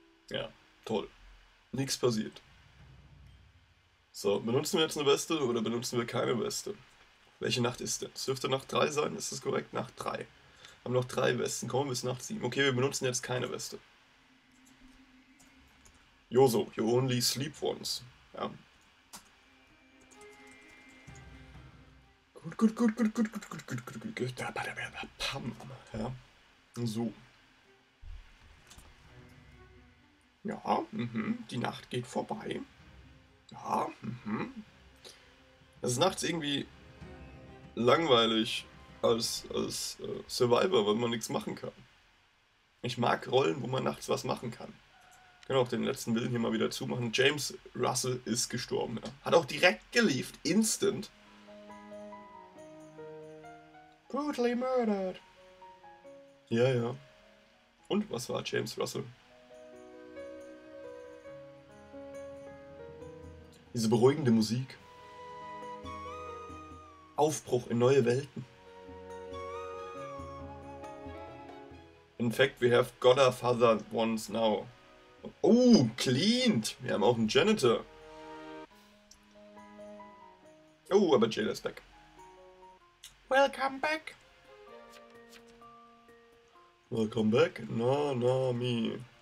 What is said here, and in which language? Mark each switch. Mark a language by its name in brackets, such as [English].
[German] Ja, toll. Nichts passiert. So, benutzen wir jetzt eine Weste oder benutzen wir keine Weste? Welche Nacht ist denn? Es dürfte Nacht 3 sein, ist das korrekt? Nacht 3. Haben noch 3 Westen, kommen bis Nacht 7. Okay, wir benutzen jetzt keine Weste. [English] Yoso, you only sleep once. [German] Ja. Gut, gut, gut, gut, gut, gut, gut, gut, gut, gut, gut, gut, gut, pam, ja. So. Ja, die Nacht geht vorbei. Ja, Es ist nachts irgendwie langweilig als Survivor, weil man nichts machen kann. Ich mag Rollen, wo man nachts was machen kann. Ich kann auch den letzten Willen hier mal wieder zumachen. James Russell ist gestorben. Ja. Hat auch direkt geliefert, instant. [English] Brutally murdered. Ja, ja. [German] Und was war James Russell? Diese beruhigende Musik. Aufbruch in neue Welten. [English] In fact, we have got our father once now. Oh, cleaned. [German] Wir haben auch einen Janitor. Oh, aber Jayla ist back. [English] Welcome back. Welcome back, Nanami.